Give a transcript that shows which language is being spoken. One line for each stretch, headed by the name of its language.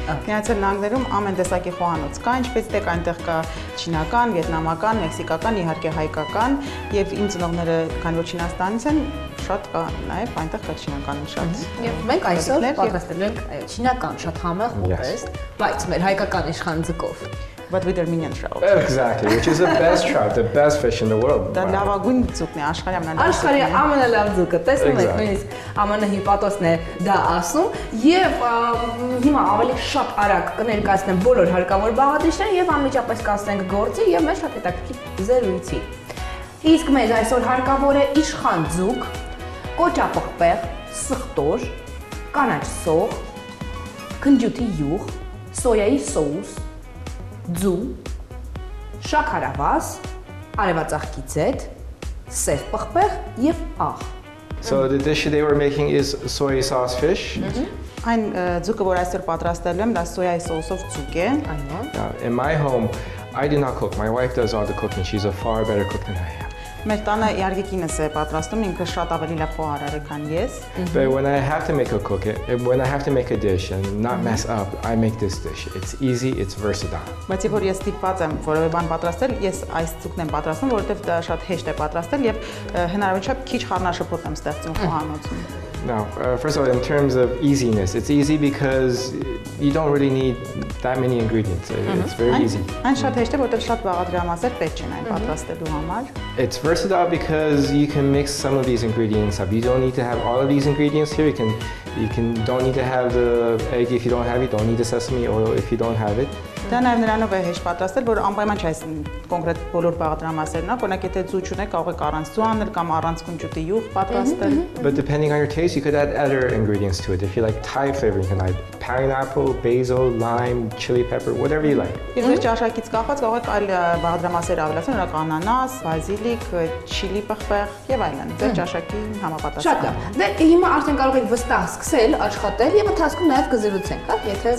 Armenian: Միացյալ Նահանգներում ամեն տեսակի խոհանոց կա, ինչպես տեք այնտեղ կա չինական, վիետնամական, մեքսիկական, իհարկե հայկական և իմ ծնողները, քանի որ Չինաստանից են, շատ կա նաև այնտեղ կա չինականում շատ։ Եվ մենք այսօր պատրաստել ենք չինական շատ համեղ ուտեստ, բայց մեր հայկական իշխան ձկով։
English: But with Armenian trout. Exactly, which is the best trout, the best fish in the world.
Armenian: Դա լավագույն ձուկն է, աշխարհի ամենալավ ձուկը։ Աշխարհի ամենալավ ձուկը, տեսնում եք, նույնիսկ ԱՄՆ հյուպատոսն է դա ասում, և հիմա ավելի շատ արագ կներկայացնեմ բոլոր հարկավոր բաղադրիչները և անմիջապես կանցնենք գործի և մեզ շատ հետաքրքիր զրույցի։ Իսկ մեզ այսօր հարկավոր է իշխան ձուկ, կոճապղպեղ, սխտոր, կանաչ սող, քնջուտի յուղ, սոյայի սոուս, ձու, շաքարավազ, արևածաղկի ձետ, սև պղպեղ և աղ։
English: So the dish they were making is soy sauce fish.
Armenian: Այն ձուկը, որ այսօր պատրաստելու եմ, դա սոյայի սոուսով ձուկ է։
English: In my home, I do not cook. My wife does all the cooking. She's a far better cook than I am.
Armenian: Մեր տանը իարգեկինս է պատրաստում, ինքը շատ ավելի լավ խոհարար է, քան ես։
English: But when I have to make a cook, when I have to make a dish and not mess up, I make this dish. It's easy, it's versatile.
Armenian: Բայց որ ես ստիպված եմ որևէ բան պատրաստել, ես այս ձուկն եմ պատրաստում, որովհետև դա շատ հեշտ է պատրաստել և հնարավորինչափ քիչ խառնաշփոթ եմ ստեղծում խոհանոցում։
English: Now, first of all, in terms of easiness, it's easy because you don't really need that many ingredients. It's very easy. It's versatile because you can mix some of these ingredients up. You don't need to have all of these ingredients here. You can don't need to have the egg if you don't have it. Don't need the sesame oil if you don't have it.
Armenian: Դա նաև նրանով է հեշտ պատրաստել, որ անպայման չէ այս կոնկրետ բոլոր բաղադրամասերնա, կոնակ եթե ձու չունեք, կարող է առանց ձու անել կամ առանց քնջուտի յուղ պատրաստել։
English: But depending on your taste, you could add other ingredients to it. If you like Thai flavor, you can add pineapple, basil, lime, chili pepper, whatever you like.
Armenian: Եթե ձեր ճաշակից կախված, կարող եք այլ բաղադրամասեր ավելացնել, օրինակ անանաս, բազիլիկ, chili պղպեղ եւ այլն, ձեր ճաշակի համապատասխան։ Շատ լավ։ Դե հիմա արդեն կարող եք վստահ սկսել աշխատել եւ ընթացքում նաեւ կզրուցենք, հա, եթե